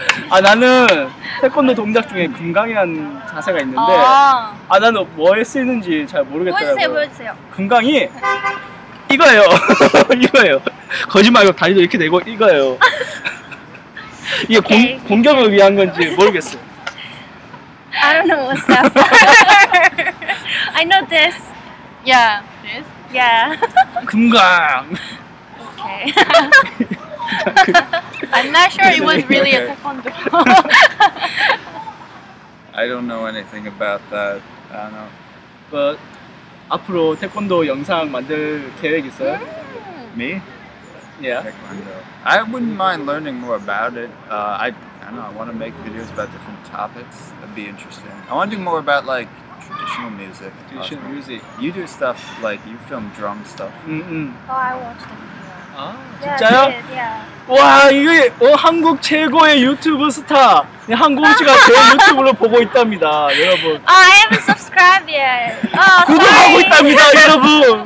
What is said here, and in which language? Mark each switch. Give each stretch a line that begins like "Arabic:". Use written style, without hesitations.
Korean: 아 나는 태권도 동작 중에 금강이란 자세가 있는데 아 나는 뭐에 쓰이는지 잘 모르겠더라고요. 보여주세요. 금강이 이거예요. 이거예요. 거짓말이고 다리도 이렇게 내고 이거예요. 이게 okay. 공격을 위한 건지 모르겠어요.
English: I don't know what's that. I know this. Yeah. This? Yeah.
Korean: 금강.
English: Okay. I'm not sure it was really a taekwondo. I don't know anything about that. I don't know.
Korean: But 앞으로 태권도 영상 만들 계획 있어요?
English: Me? Yeah. Taekwondo. I wouldn't mind learning more about it. I want to make videos about different topics. That'd be interesting. I want to do more about like traditional music. Traditional music. You do stuff like you film drum stuff. Mm-hmm. Oh, I watched them. Oh, yeah,
Korean: 진짜요?
English: I did, yeah.
Korean: 와 이게 한국 최고의 유튜브 스타 한국 씨가 제 유튜브로 보고 있답니다, 여러분.
English: Oh, I haven't subscribed yet. Oh,
Korean: 구독하고 있답니다, 여러분.